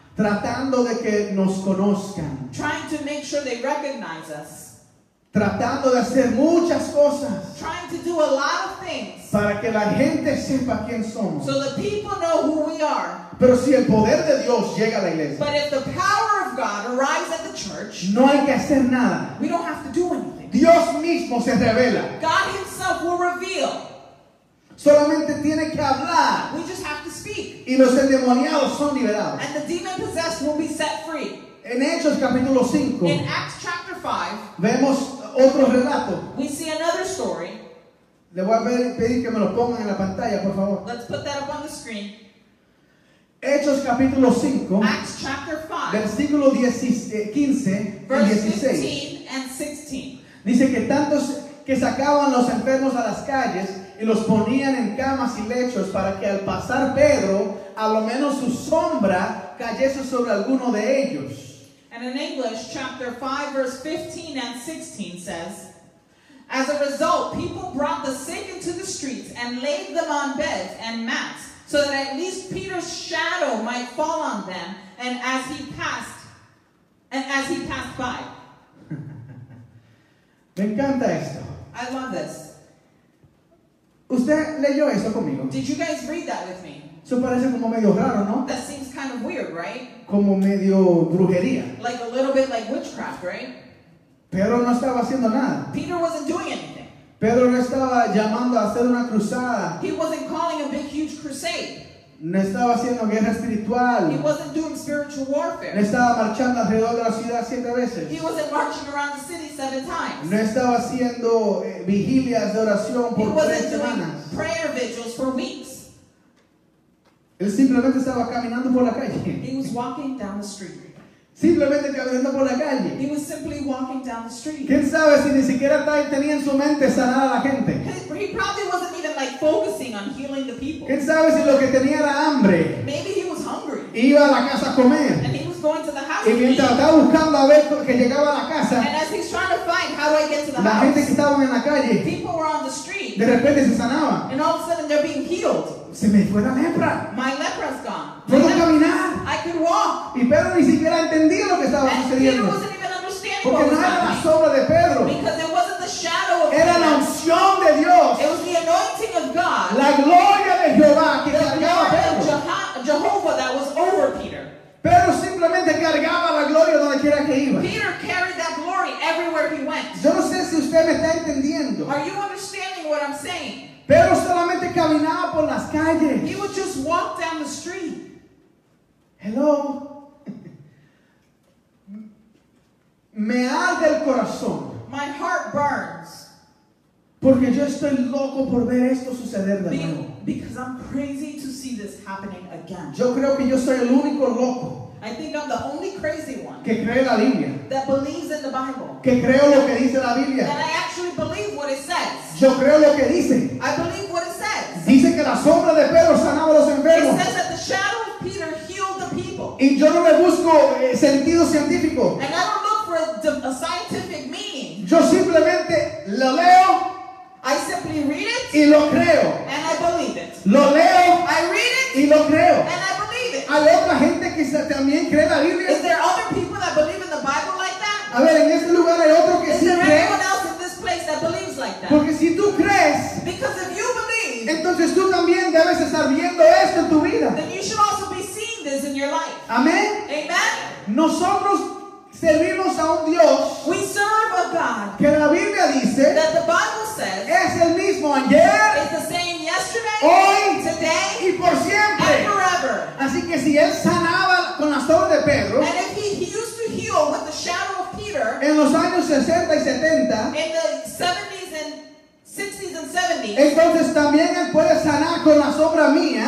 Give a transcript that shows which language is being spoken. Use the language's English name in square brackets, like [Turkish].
[Spanish] Tratando de que nos conozcan. [English] Trying to make sure they recognize us. [Spanish] Tratando de hacer muchas cosas. [English] Trying to do a lot of things. [Spanish] Para que la gente sepa quién somos. [English] So the people know who we are. [Spanish] Pero si el poder de Dios llega a la iglesia. [English] But if the power of God arrives at the church. [Spanish] No hay que hacer nada. [English] We don't have to do anything. [Spanish] Dios mismo se revela. [English] God himself will reveal. [Spanish] Solamente tiene que hablar. [English] We just have to speak. [Spanish] Y los endemoniados son liberados. [English] And the demon possessed will be set free. [Spanish] En Hechos capítulo 5. [English] In Acts chapter 5. [Spanish] Vemos otro relato. [English] We see another story. [Spanish] Le voy a pedir que me lo pongan en la pantalla, por favor. [English] Let's put that up on the screen. [Spanish] Hechos capítulo 5. [English] Acts chapter 5. [Spanish] Versículo 15 [English] verse [Spanish] y 16. [English] 15 and 16. [Spanish] Dice que tantos que sacaban los enfermos a las calles y los ponían en camas y lechos para que al pasar Pedro, a lo menos su sombra cayese sobre alguno de ellos. [English] And in English, chapter 5, verse 15 and 16 says, as a result, people brought the sick into the streets and laid them on beds and mats, so that at least Peter's shadow might fall on them, and as he passed by. [Spanish] Me encanta esto. [English] I love this. [Spanish] ¿Usted leyó eso conmigo? [English] Did you guys read that with me? [Spanish] Eso parece como medio raro, ¿no? [English] That seems kind of weird, right? [Spanish] Como medio brujería. [English] Like a little bit like witchcraft, right? [Spanish] Pedro no estaba haciendo nada. [English] Peter wasn't doing anything. [Spanish] Pedro no estaba llamando a hacer una cruzada. [English] He wasn't calling a big, huge crusade. [Spanish] No estaba haciendo guerra espiritual. [English] He wasn't doing spiritual warfare. [Spanish] No estaba marchando alrededor de la ciudad siete veces. [English] He wasn't marching around the city seven times. [Spanish] No estaba haciendo vigilias de oración por tres semanas. [English] He wasn't doing prayer vigils for weeks. [Spanish] Él simplemente estaba caminando por la calle. [English] He was walking down the street. [Spanish] Simplemente caminando por la calle. [English] He was simply walking down the street. [Spanish] ¿Quién sabe si ni siquiera tenía en su mente sanar a la gente? [English] He probably wasn't even like focusing on healing the people. [Spanish] ¿Quién sabe si lo que tenía era hambre? [English] Maybe he was hungry. [Spanish] Y iba a la casa a comer. [English] And he was going to the house. [Spanish] Y mientras estaba buscando a ver que llegaba a la casa. [English] And as he's trying to find how do I get to the house. [Spanish] La gente que estaba en la calle. [English] People were on the street. [Spanish] De repente se sanaba. [English] And all of a sudden they're being healed. [Spanish] Se me fue la lepra. [English] My lepra's gone. [Spanish] Puedo caminar. [English] I can walk. [Spanish] Y Pedro ni siquiera entendía lo que estaba sucediendo. [English] And Peter wasn't even understanding. [Spanish] Porque [English] what [Spanish] no [English] was [Spanish] era la sombra de Pedro. [English] Because it wasn't the shadow of [Spanish] era [English] Peter. [Spanish] La unción de Dios. [English] It was the anointing of God. [Spanish] La gloria de Jehová que [English] the [Spanish] cargaba Pedro. [English] Jehovah that was over Peter. [Spanish] Pedro simplemente cargaba la gloria donde quiera que iba. [English] Peter carried that glory everywhere he went. [Spanish] Yo no sé si usted me está entendiendo. [English] Are you understanding what I'm saying? [Spanish] Pedro solamente caminaba por las calles. [English] He would just walk down the street. Hello. [Spanish] Me arde el corazón. [English] My heart burns. [Spanish] Porque yo estoy loco por ver esto suceder de nuevo. [English] Because I'm crazy to see this happening again. [Spanish] Yo creo que yo soy el único loco. [English] I think I'm the only crazy one. [Spanish] Que cree la Biblia. [English] That believes in the Bible. [Spanish] Que creo lo que dice la Biblia. [English] That I actually believe what it says. [Spanish] Yo creo lo que dice. [English] I believe what it says. [Spanish] Dice que la sombra de Pedro sanaba a los enfermos. [English] It says that the shadow of Peter healed the people. [Spanish] Y yo no le busco sentido científico. [English] And I don't look for a scientific meaning. [Spanish] Yo simplemente lo leo. [English] I simply read it. [Spanish] Y lo creo. [English] And I believe it. [Spanish] Lo leo. [English] I read it. [Spanish] Y lo creo. [English] And I believe it. [Spanish] ¿Hay otra gente que también cree la Biblia? [English] Is there other people that believe in the Bible like that? [Spanish] A ver, en este lugar hay otro que [English] is [Spanish] sí [English] there [Spanish] cree? [English] Anyone else in this place that believes like that? [Spanish] Porque si tú crees, [English] because if you believe, [Spanish] entonces tú también debes estar viendo esto en tu vida. [English] Then you should also be seeing this in your life. [Spanish] Amén. [English] Amen. [Spanish] Nosotros servimos a un Dios. [English] We serve a God. [Spanish] Que la Biblia dice. [English] That the Bible says. [Spanish] Es el mismo ayer. [English] It's the same yesterday. [Spanish] Hoy. [English] Today. [Spanish] Y por siempre. [English] And forever. [Spanish] Así que si él sanaba con la sombra de Pedro. [English] And if he used to heal with the shadow of Peter. [Spanish] En los años 60 y 70. [English] In the 70s and 60s and 70s. [Spanish] Entonces también él puede sanar con la sombra mía.